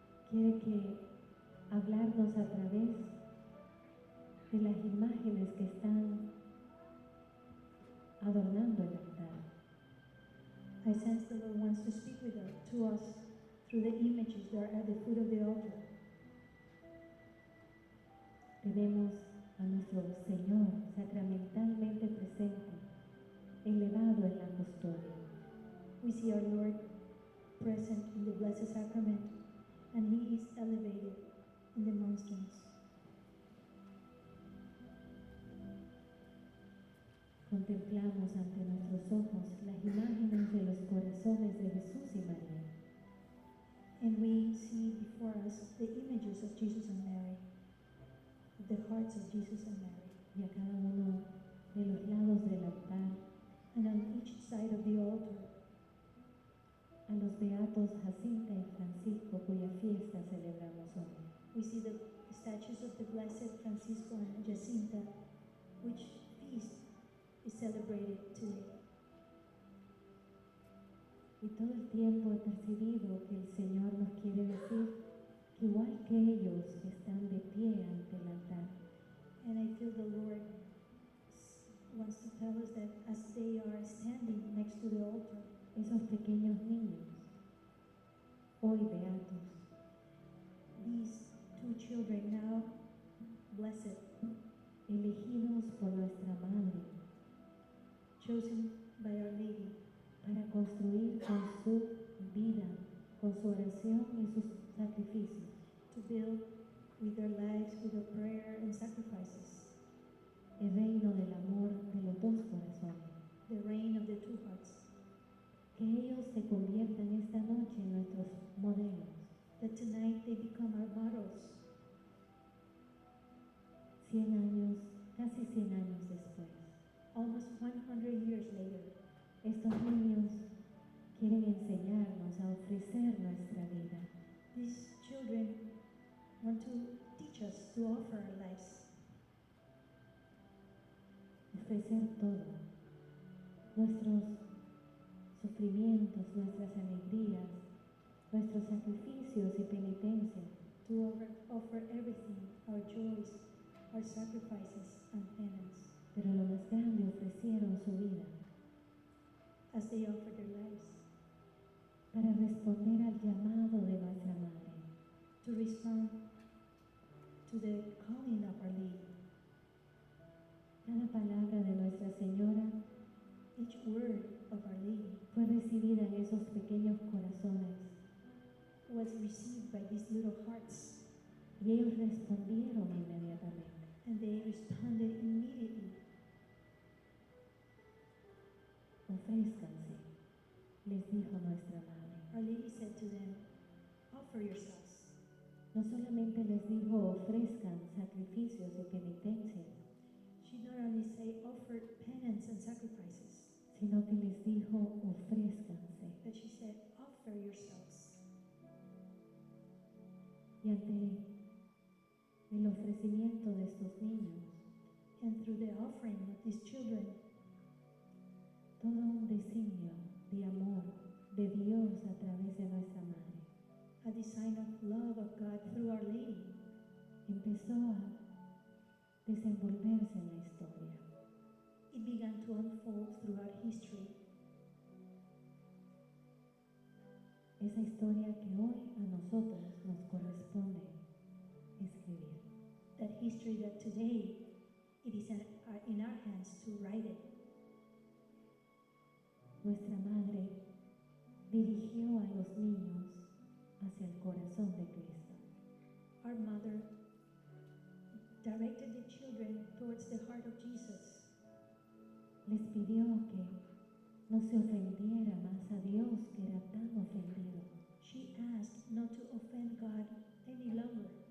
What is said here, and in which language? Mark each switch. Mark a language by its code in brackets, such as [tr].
[es] Quiere que hablarnos a través de las imágenes que están adornando el altar. [en] I sense the Lord wants to speak with us, to us through the images that are at the foot of the altar. [es] Tenemos a nuestro Señor sacramentalmente presente, elevado en la custodia. [en] We see our Lord present in the Blessed Sacrament, and He is elevated in the monstrance. [es] Contemplamos ante nuestros ojos las imágenes de los corazones de Jesús y María. [en] And we see before us the images of Jesus and Mary, the hearts of Jesus and Mary. [es] Y a cada uno de los lados del altar. [en] And on each side of the altar, [es] a los beatos Jacinta y Francisco, cuya fiesta celebramos hoy. [en] We see the statues of the blessed Francisco and Jacinta, which feast is celebrated today. [es] Y todo el tiempo he percibido que el Señor nos quiere decir que igual que ellos están de pie ante el altar. [en] And I feel the Lord wants to tell us that as they are standing next to the altar, [es] esos pequeños niños, hoy beatos, [en] these two children now blessed, [es] elegidos por nuestra madre, [en] chosen by our lady, [es] para construir con su vida, con su oración y sus sacrificios, [en] to build with their lives, with their prayer and sacrifices, [es] el reino del amor de los dos corazones, [en] the reign of the two hearts. [es] Que ellos se conviertan esta noche en nuestros modelos. [en] That tonight they become our models. [es] 100 años, casi 100 años después. [en] Almost 100 years later. [es] Estos niños quieren enseñarnos a ofrecer nuestra vida. [en] These children want to teach us to offer our lives. [es] Ofrecer todo. Nuestros sufrimientos, nuestras alegrías, nuestros sacrificios y penitencia. [en] To offer everything, our joys, our sacrifices and penance. [es] Pero lo más grande, ofrecieron su vida. [en] As they offered their lives. [es] Para responder al llamado de nuestra madre. [en] To respond to the calling of our lady. [es] Cada palabra de Nuestra Señora, [en] each word of our lady, [es] fue recibida en esos pequeños corazones, [en] was received by these little hearts, [es] y ellos respondieron inmediatamente, [en] and they responded immediately. [es] Ofrézcanse, les dijo Nuestra Madre. [en] Our lady said to them, offer yourselves. [es] No solamente les dijo, ofrezcan sacrificios y penitencias, [en] she not only say offer penance and sacrifices, [es] sino que les dijo ofrézcanse, [en] but she said offer yourselves. [es] Y ante el ofrecimiento de estos niños, [en] and through the offering of these children, [es] todo un designio de amor de Dios a través de nuestra madre, [en] a design of love of God through our lady, [es] empezó a desenvolverse en la historia. [en] It began to unfold throughout history. [es] Esa historia que hoy a nosotros nos corresponde escribir. [en] That history that today it is in our hands to write it. [es] Nuestra madre dirigió a los niños hacia el corazón de Cristo. [en] Our mother directed the children towards the heart of Jesus. [es] Les pidió que no se ofendiera más a Dios que era tan ofendido. [en] She asked not to offend God any longer.